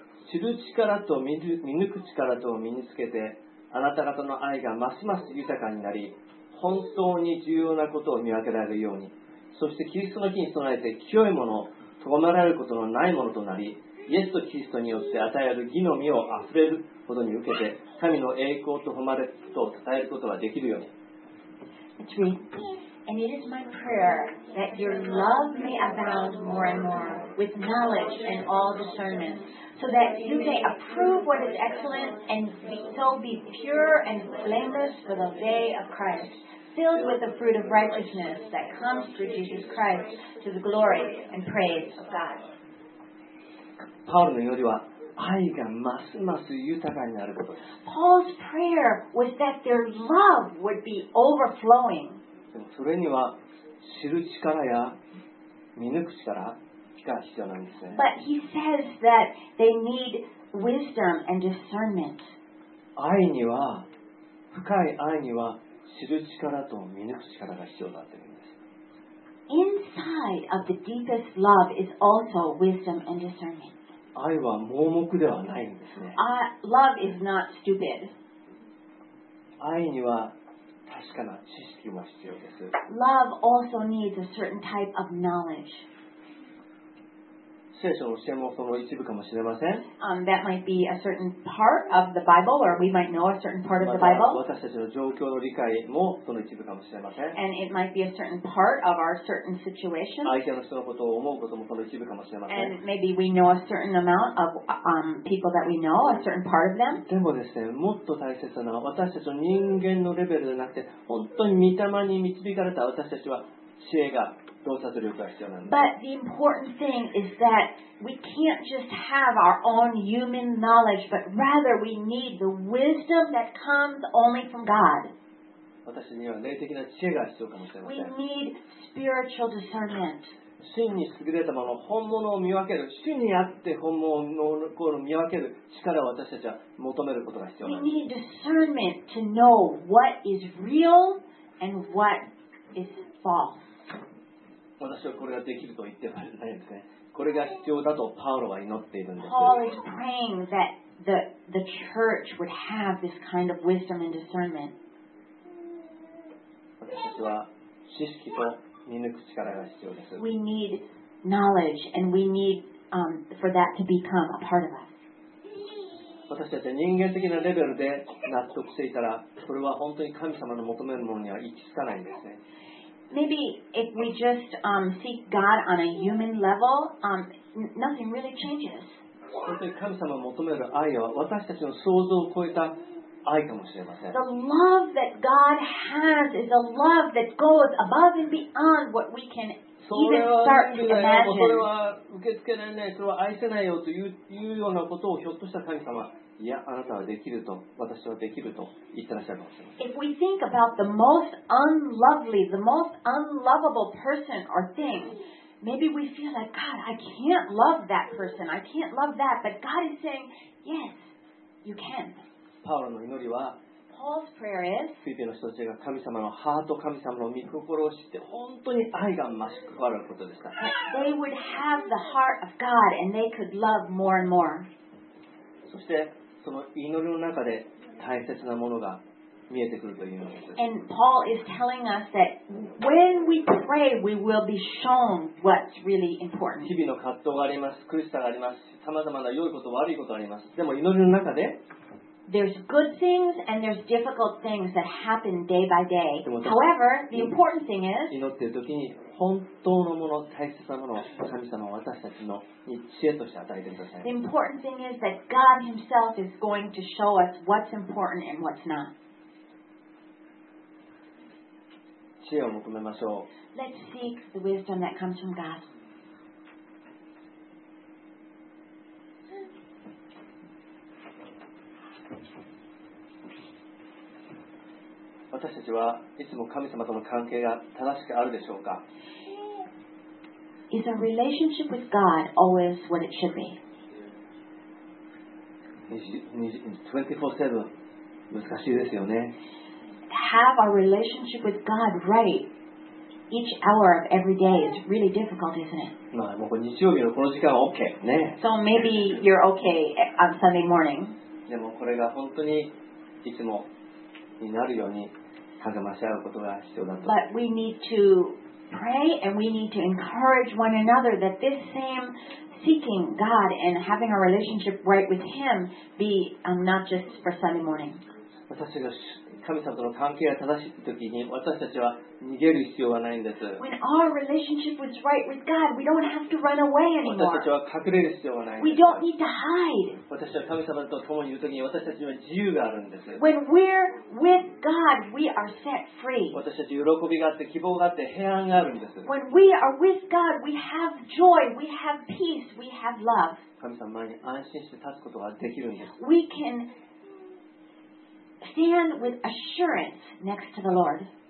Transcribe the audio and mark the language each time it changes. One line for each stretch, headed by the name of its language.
Japanese: 知る力と見抜く力とを身につけて、あなた方の愛がますます豊かになり、本当に重要なことを見分けられるように、そしてキリストの日に備えて清いもの、とがめられることのないものとなり、イエスとキリストによって与える義の実をあふれるほどに受けて、神の栄光と誉れと伝えることができるように。
English: And it is my prayer that your love may abound more and more with knowledge and all discernment, so that you may approve what is excellent and so be pure and blameless for the day of Christ. Filled with the fruit of righteousness that comes through Jesus Christ to the glory and praise of God. Paul's prayer was
Japanese: 愛がますます豊かになることです。
English: Paul's prayer was that their love would be overflowing.
Japanese: それには知る力や見抜く力が必要なんですね。
English: But he says that they need wisdom and discernment.
Japanese: 愛には深い愛には知る力と見抜く力が必要になっているんです。
English: Inside of the deepest love is also wisdom and discernment.
Japanese: 愛は盲目ではないんですね。
English: Love is not stupid.
Japanese: 愛には確かな知識も必要です。
English: Love also needs a certain type of knowledge.
Japanese: 聖書の教えもその一部かもしれません。
English: That might be a certain part of the Bible, or we might know a certain part of the Bible.
Japanese: また私たちの状況の理解もその一部かもしれません。
English: And it might be a certain part of our certain situation.
Japanese: 相手の人のことを思うこともその一部かもしれません。
English: And maybe we know a certain amount of people that we know, a certain part of them.
Japanese: でもですね、もっと大切なのは私たちの人間のレベルじゃなくて、本当に御霊に導かれた私たちは知恵が
English: But the important thing is that we can't just have our own human knowledge, but rather we need the wisdom that comes only from God. We need spiritual discernment.
Japanese: 真に優れたもの、本物を見分ける、主にあって本物を見分ける力を私たちは求めることが必要なんです。
English: We need discernment to know what is real and what is false.
Japanese: 私はこれができると言ってはないんですね。これが必要だとパウロは祈っているんです。
English: Paul is praying that the church would have this kind of wisdom and discernment.
Japanese: 私たちは知識と見抜く力が必要です。
English: We need knowledge and we need for that to become a part of us.
Japanese: 私たちは人間的なレベルで納得していたら、それは本当に神様の求めるものには行き着かないんですね。
English: Maybe if we just seek God on a human level, nothing really changes.
Japanese: 本当に神様を求める愛は私たちの想像を超えた愛かもしれません。
English: The love that God has is a love that goes above and beyond what we can even start to imagine.
Japanese: それは受け付けられない、それは愛せないよというようなことをひょっとしたら神様、いや、あなたはできると、私はできると言ってらっしゃるかもしれません。
English: If we think about the most unlovely, the most unlovable person or thing, maybe we feel like, God, I can't love that person, I can't love that, but God is saying, yes, you can.
Japanese: パウロの祈りは、
English: Paul's prayer is,
Japanese: フィリピの人たちが神様のハート、神様の御心を知って、本当に愛が増し加わることでした。
English: They would have the heart of God and they could love more and more.
Japanese: そして、その祈りの中で大切なものが見えてくるというのです。
English: And Paul is telling us that when we pray, we will be shown what's really important.
Japanese: 日々の葛藤があります。苦しさがあります。さまざまな良いこと、悪いことがあります。でも祈りの中で、
English: There's good things and there's difficult things that happen day by day. However, the important thing is,
Japanese: 祈っている時に本当のもの、大切なものを神様は私たちの知恵として与えてください。
English: The important thing is that God Himself is going to show us what's important and what's not.
Japanese: 知恵を求めましょう。
English: Let's seek the wisdom that comes from God.
Japanese: 私たちはいつも神様との関係が正しくあるでしょうか。
English: Is our relationship with God always what it should be?
Japanese: 24/7 難しいですよね。
English: Have our relationship with God right each hour of every day is really difficult, isn't it?
Japanese: まあ、もう日曜日のこの時間は OK ね。
English: So maybe you're OK on Sunday morning.
Japanese: でもこれが本当にいつもになるように励まし合うことが必要だと。
English: But we need to pray and we need to encourage one another that this same seeking God and having a relationship right with Him be not just for Sunday morning.
Japanese: 私が神様との関係が正しいときに私たちは逃げる必要はないんです。
English: When our relationship was right with God, we don't have to run away anymore.
Japanese: 私たちは隠れる必要はないんです。
English: We don't need to hide.
Japanese: 私は神様と共にいるときに私たちには自由があるんです。
English: When we're with God, we are set free.
Japanese: 私たちは喜びがあって希望があって平安があるんです。
English: When we are with God, we have joy, we have peace, we have love.
Japanese: 神様前に安心して立つことができるんです。
English: We canStand with assurance next to the Lord.